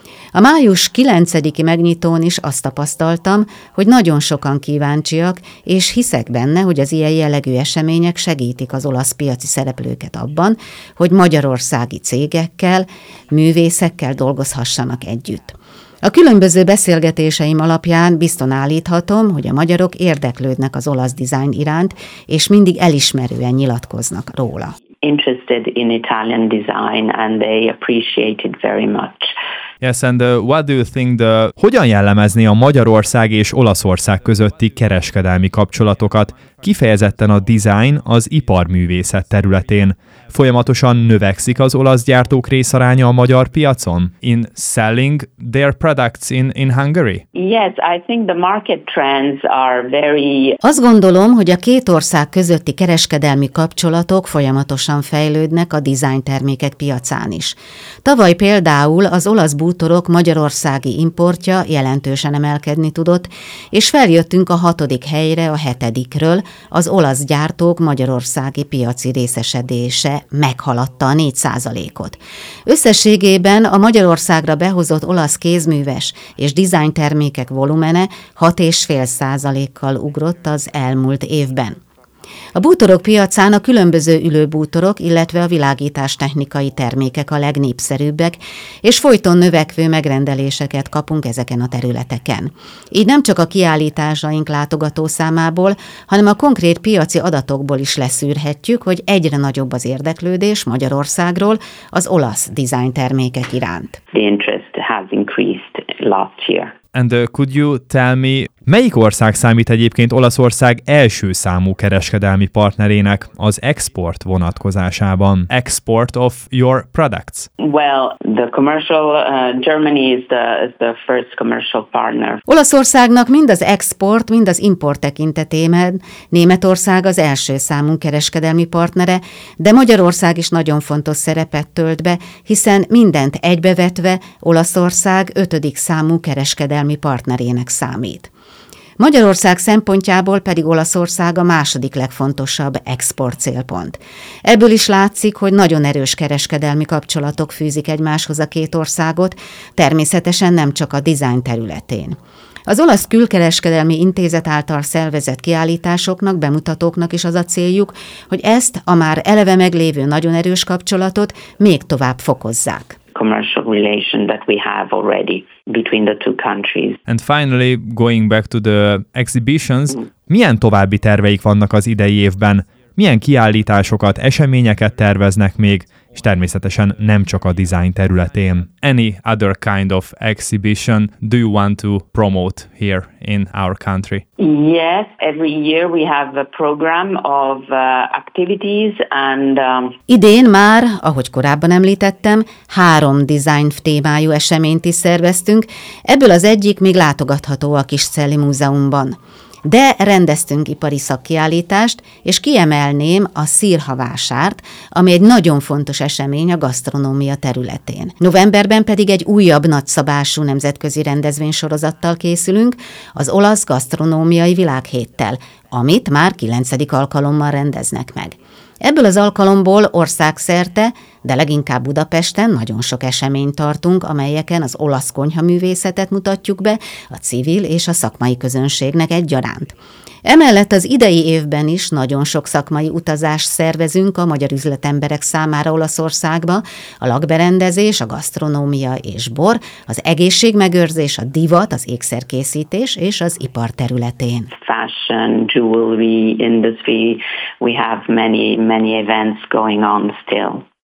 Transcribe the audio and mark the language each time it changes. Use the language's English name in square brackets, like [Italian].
[Hungarian] A május 9-i megnyitón is azt tapasztaltam, hogy nagyon sokan kíváncsiak, és hiszek benne, hogy az ilyen jellegű események segítik az olasz piaci szereplőket abban, hogy magyarországi cégekkel, művészekkel dolgozhassanak együtt. A különböző beszélgetéseim alapján bizton állíthatom, hogy a magyarok érdeklődnek az olasz dizájn iránt, és mindig elismerően nyilatkoznak róla. [English] Interested in Italian design and they appreciate it very much. Yes, and what do you think the... [Hungarian] Hogyan jellemezni a Magyarország és Olaszország közötti kereskedelmi kapcsolatokat, kifejezetten a design az iparművészet területén? Folyamatosan növekszik az olasz gyártók részaránya a magyar piacon? [English] In selling their products in Hungary? Yes, I think the market trends are very... [Hungarian] Azt gondolom, hogy a két ország közötti kereskedelmi kapcsolatok folyamatosan fejlődnek a design termékek piacán is. Tavaly például az olasz bútorok magyarországi importja jelentősen emelkedni tudott, és feljöttünk a 6. helyre a 7. az olasz gyártók magyarországi piaci részesedése meghaladta a 4%-ot. Összességében a Magyarországra behozott olasz kézműves és dizájn termékek volumene 6,5%-kal ugrott az elmúlt évben. A bútorok piacán a különböző ülőbútorok, illetve a világítástechnikai termékek a legnépszerűbbek, és folyton növekvő megrendeléseket kapunk ezeken a területeken. Így nem csak a kiállításaink látogatószámából, hanem a konkrét piaci adatokból is leszűrhetjük, hogy egyre nagyobb az érdeklődés Magyarországról az olasz dizájn termékek iránt. [English] The interest has increased last year. And could you tell me, [Hungarian] melyik ország számít egyébként Olaszország első számú kereskedelmi partnerének az export vonatkozásában? [English] Export of your products? Well, the commercial, Germany is the first commercial partner. [Hungarian] Olaszországnak mind az export, mind az import tekintetében Németország az első számú kereskedelmi partnere, de Magyarország is nagyon fontos szerepet tölt be, hiszen mindent egybevetve Olaszország 5. számú kereskedelmi partnerének számít. Magyarország szempontjából pedig Olaszország a 2. legfontosabb export célpont. Ebből is látszik, hogy nagyon erős kereskedelmi kapcsolatok fűzik egymáshoz a két országot, természetesen nem csak a dizájn területén. Az olasz külkereskedelmi intézet által szervezett kiállításoknak, bemutatóknak is az a céljuk, hogy ezt a már eleve meglévő nagyon erős kapcsolatot még tovább fokozzák. [English] Commercial relation that we have already between the two countries. And finally, going back to the exhibitions, [Hungarian] milyen további terveik vannak az idei évben? Milyen kiállításokat, eseményeket terveznek még, és természetesen nem csak a design területén? [English] Any other kind of exhibition do you want to promote here in our country? Yes, every year we have a program of activities and... [Hungarian] Idén már, ahogy korábban említettem, 3 design témájú eseményt is szerveztünk, ebből az egyik még látogatható a Kiscelli Múzeumban. De rendeztünk ipari szakkiállítást, és kiemelném a szirhavásárt, ami egy nagyon fontos esemény a gasztronómia területén. Novemberben pedig egy újabb nagyszabású nemzetközi rendezvénysorozattal készülünk, az olasz gasztronómiai világhéttel, amit már 9. alkalommal rendeznek meg. Ebből az alkalomból országszerte, de leginkább Budapesten nagyon sok eseményt tartunk, amelyeken az olasz konyha művészetet mutatjuk be a civil és a szakmai közönségnek egyaránt. Emellett az idei évben is nagyon sok szakmai utazást szervezünk a magyar üzletemberek számára Olaszországba, a lakberendezés, a gasztronómia és bor, az egészségmegőrzés, a divat, az ékszerkészítés és az ipar területén. [English] Fashion, jewelry industry, we have many, many events going on still.